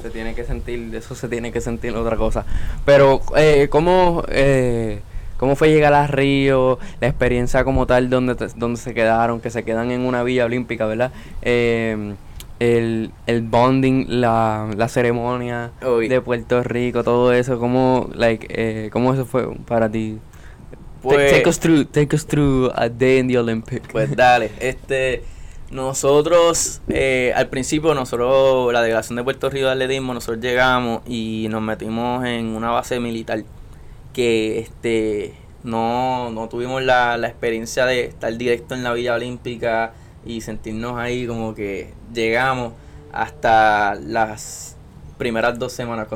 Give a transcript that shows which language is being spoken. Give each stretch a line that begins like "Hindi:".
Spanish: se tiene que sentir, eso se tiene que sentir otra cosa. Pero, ¿cómo fue llegar a Río? La experiencia como tal, donde se quedaron, que se quedan en una villa olímpica, ¿verdad? El bonding, la ceremonia hoy. de Puerto Rico, todo eso, ¿cómo eso fue para ti? Pues
English: Take us through a day in the Olympic.
Spanish: dale, nosotros al principio, nosotros, la delegación de Puerto Rico de atletismo, nosotros llegamos y nos metimos en una base militar que no tuvimos la experiencia de estar directo en la Villa Olímpica y sentirnos ahí como que llegamos hasta las primeras 2 semanas.